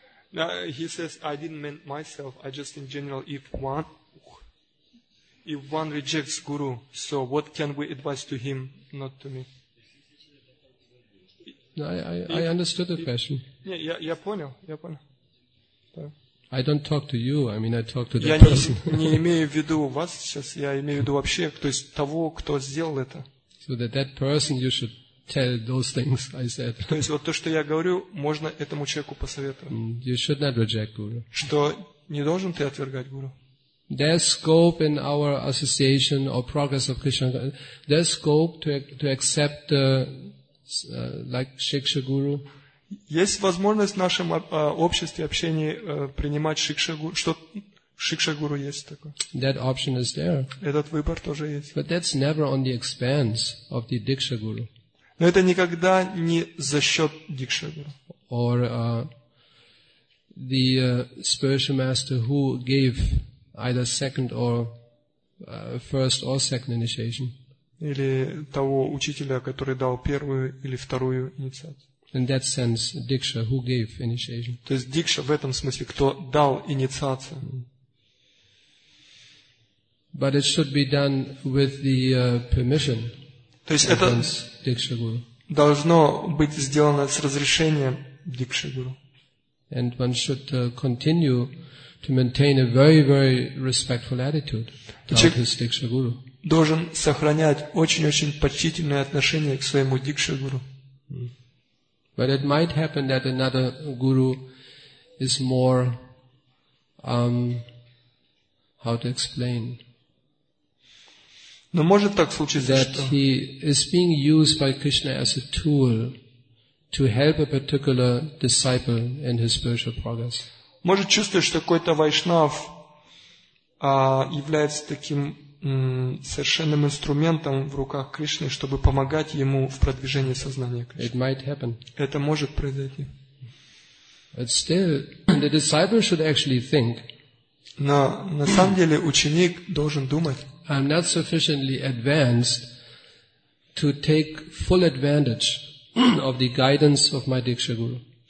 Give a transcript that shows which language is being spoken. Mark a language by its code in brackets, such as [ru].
[en] No, he says, I didn't mean myself, I just in general, if one rejects guru, so what can we advise to him, not to me? I understood the question. [ru] Я понял. [en] I don't talk to you. I mean, I talk to the [ru] я [en] person. [ru] Я не имею в виду вас сейчас. Я имею в виду вообще, то есть того, кто сделал это. [en] So that person, you should tell those things I said. [ru] То есть вот то, что я говорю, можно этому человеку посоветовать. [en] You should not reject guru. [ru] Что не должен ты отвергать гуру? [en] There's scope in our association or progress of Krishna. There's scope to accept like Shiksha guru. [ru] Есть возможность в нашем обществе общении принимать шикшагуру, что шикшагуру есть такое. [en] That option is there. [ru] Этот выбор тоже есть. [en] But that's never on the expense of the Diksha Guru. [ru] Но это никогда не за счет дикшагуру. [en] Or the spiritual master who gave either second or first or second initiation. [ru] Или того учителя, который дал первую или вторую инициацию. [en] In that sense, Diksha, who gave initiation? [ru] То есть Дикша в этом смысле, кто дал инициацию. [en] But it should be done with the permission. [ru] То есть это [en] Diksha Guru. [ru] Должно быть сделано с разрешения Дикша Гуру. [en] And one should continue to maintain a very, very respectful attitude toward his Diksha Guru. [ru] Должен сохранять очень-очень почтительное отношение к своему Дикша Гуру. [en] But it might happen that another guru is more, how to explain? [ru] Но может так случиться, [en] that he is being used by Krishna as a tool to help a particular disciple in his spiritual progress. [ru] Может чувствовать, что какой-то вайшнав является таким совершенным инструментом в руках Кришны, чтобы помогать ему в продвижении сознания Кришны. [en] It might happen. [ru] Это может произойти. [en] But still, the disciple should actually think. [ru] Но на самом деле ученик должен думать. [en] I'm not sufficiently advanced to take full advantage of the guidance of my Diksha Guru.